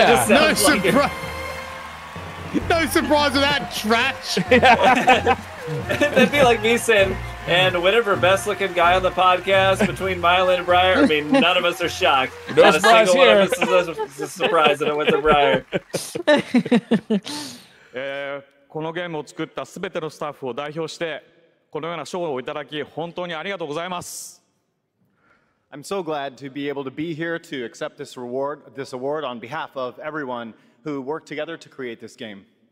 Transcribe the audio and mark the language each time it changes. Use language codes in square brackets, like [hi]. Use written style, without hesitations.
[en] No surprise. No surprise of that trash. Yeah. That'd be like me saying, and whatever best looking guy on the podcast between Mylan and Briar, I mean, none of us are shocked. No surprise here. Not a single one of us is a surprise that it went to Briar. [ja] この ゲームを作ったすべてのスタッフを代表して、このような賞をいただき、本当にありがとうございます。 [en] I'm so glad to be able to be here to accept this award on behalf of everyone who worked together to create this game.